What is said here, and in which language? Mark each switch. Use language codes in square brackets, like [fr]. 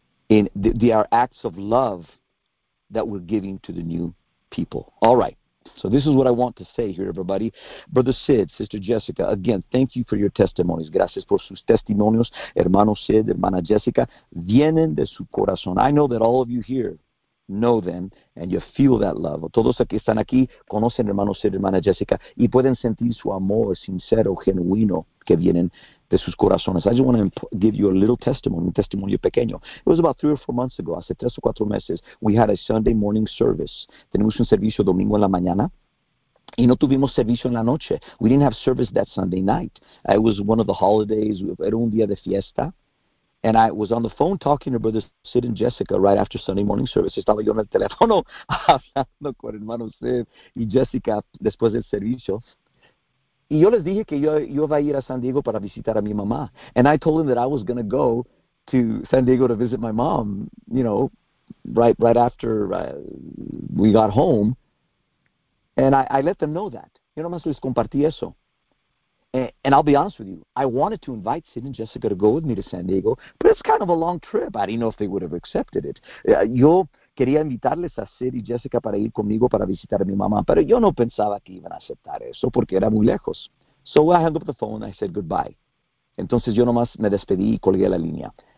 [en] In they are acts of love that we're giving to the new people. All right. So this is what I want to say here, everybody. Brother Sid, Sister Jessica, again, thank you for your testimonies. [es] Gracias por sus testimonios. Hermano Sid, hermana Jessica, vienen de su corazón. [en] I know that all of you here know them, and you feel that love. [es] Todos los que están aquí conocen hermano Sid, hermana Jessica, y pueden sentir su amor sincero, genuino, que vienen de sus corazones. [en] I just want to give you a little testimony, [es] un testimonio pequeño. [en] It was about 3 or 4 months ago, [es] hace 3 o 4 meses, [en] we had a Sunday morning service. [es] Tenemos un servicio domingo en la mañana, y no tuvimos servicio en la noche. [en] We didn't have service that Sunday night. It was one of the holidays, [es] era un día de fiesta, [en] and I was on the phone talking to Brother Sid and Jessica right after Sunday morning service. [es] Estaba yo en el teléfono hablando con hermano Sid y Jessica después del servicio. Y yo les dije que yo iba a ir a San Diego para visitar a mi mamá. [en] And I told them that I was going to go to San Diego to visit my mom, you know, right after we got home. And I let them know that. [es] Yo nomás les compartí eso. [en] And I'll be honest with you, I wanted to invite Sid and Jessica to go with me to San Diego, but it's kind of a long trip. I didn't know if they would have accepted it. [es] Yo quería invitarles a Sid y Jessica para ir conmigo para visitar a mi mamá, pero yo no pensaba que iban a aceptar eso porque era muy lejos. [en] So I hung up the phone and I said goodbye. [es] Entonces yo nomás me despedí y colgué la línea.